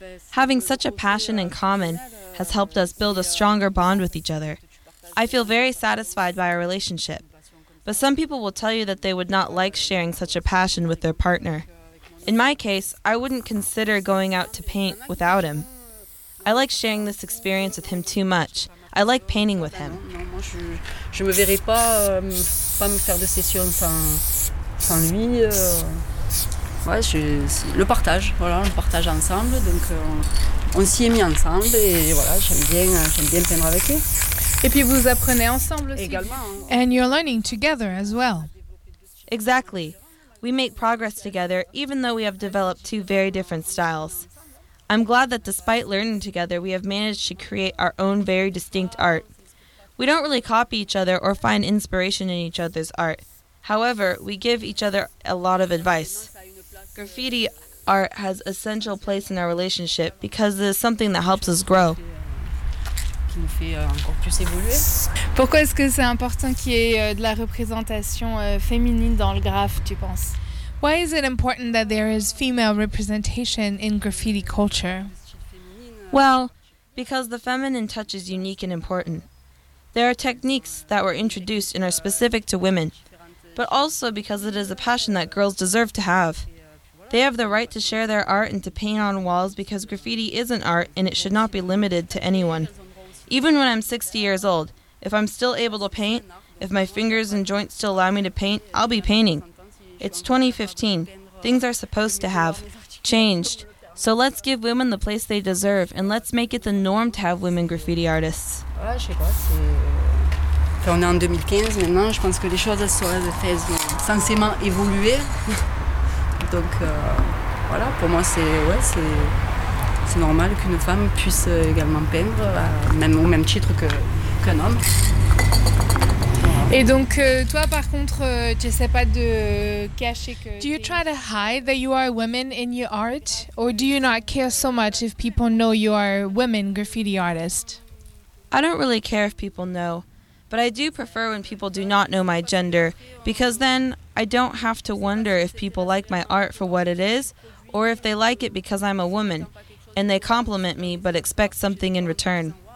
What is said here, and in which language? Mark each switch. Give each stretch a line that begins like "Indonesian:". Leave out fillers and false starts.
English: Having such a passion in common has helped us build a stronger bond with each other. I feel very satisfied by our relationship. But some people will tell you that they would not like sharing such a passion with their partner. In my case, I wouldn't consider going out to paint without him. I like sharing this experience with him too much. I like painting with him.
French: Je me verrais pas me faire de session sans lui. Ouais, le partage ensemble. Donc on s'y est mis ensemble et voilà, j'aime bien peindre avec lui. Et puis vous apprenez ensemble aussi. Également.
English: And you're learning together as well. Exactly. We make progress together even though we have developed two very different styles. I'm glad that despite learning together, we have managed to create our own very distinct art. We don't really copy each other or find inspiration in each other's art. However, we give each other a lot of advice. Graffiti art has an essential place in our relationship because it is something that helps us grow.
French: Qui nous fait encore plus évoluer. Pourquoi est-ce que c'est important qu'il y ait de la représentation féminine dans le graff, tu penses?
English: Why is it important that there is female representation in graffiti culture? Well, because the feminine touch is unique and important. There are techniques that were introduced and are specific to women, but also because it is a passion that girls deserve to have. They have the right to share their art and to paint on walls because graffiti is an art and it should not be limited to anyone. Even when I'm 60 years old, if I'm still able to paint, if my fingers and joints still allow me to paint, I'll be painting. It's 2015. Things are supposed to have changed. So let's give women the place they deserve and let's make it the norm to have women graffiti artists.
French: Ouais, je sais pas, c'est... Quand on est en 2015 maintenant, je pense que les choses sont censément évoluer. Donc voilà, pour moi c'est normal qu'une femme puisse également peindre même au même titre qu'un homme. Et donc toi par contre tu essaies pas de cacher que...
English: Do you try to hide that you are a woman in your art, or do you not care so much if people know you are a woman graffiti artist? I don't really care if people know, but I do prefer when people do not know my gender, because then I don't have to wonder if people like my art for what it is, or if they like it because I'm a woman, and they compliment me but expect something in return.